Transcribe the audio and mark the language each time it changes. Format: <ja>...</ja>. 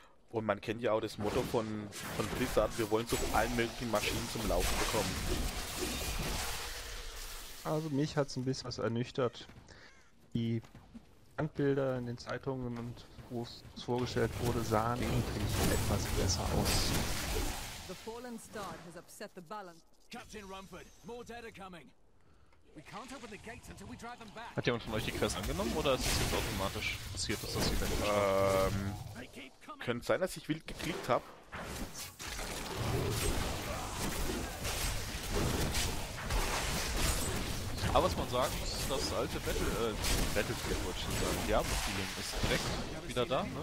<de>Und man kennt ja auch das Motto von Blizzard, wir wollen so allen möglichen Maschinen zum Laufen bekommen. Also mich hat es ein bisschen was ernüchtert. Die Bandbilder in den Zeitungen und wo es vorgestellt wurde, sahen eigentlich etwas besser aus.</de> <en>The fallen star has upset the balance. Captain Rumford, more dead are coming. We can't open the gates until we drive them back.</en> <de>Hat jemand von euch die Quest angenommen oder ist es jetzt automatisch passiert, dass das Event Könnte sein, dass ich wild geklickt habe. Aber was man sagen muss, ist, dass das alte Battlefield, wollte ich sagen, Diablo-Feeling ist direkt wieder da, ne?</de>